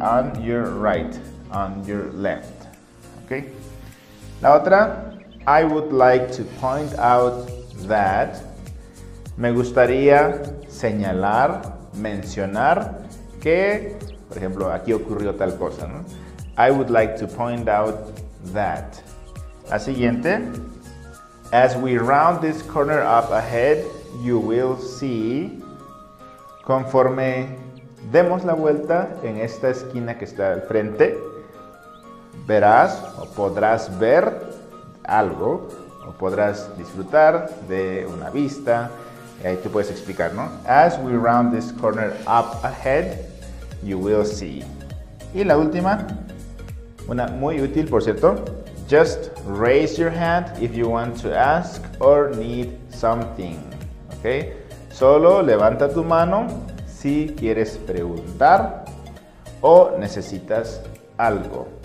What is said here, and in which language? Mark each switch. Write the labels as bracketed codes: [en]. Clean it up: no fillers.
[en] On your right, on your left, ¿ok? [es] La otra. [en] I would like to point out that. [es] Me gustaría señalar, mencionar que, por ejemplo, aquí ocurrió tal cosa, ¿no? [en] I would like to point out that. [es] La siguiente. [en] As we round this corner up ahead, you will see. [es] Conforme demos la vuelta en esta esquina que está al frente, verás o podrás ver algo, o podrás disfrutar de una vista. Y ahí tú puedes explicar, ¿no? [en] As we round this corner up ahead, you will see. [es] Y la última, una muy útil, por cierto. [en] Just raise your hand if you want to ask or need something. ¿Ok? [es] Solo levanta tu mano si quieres preguntar o necesitas algo.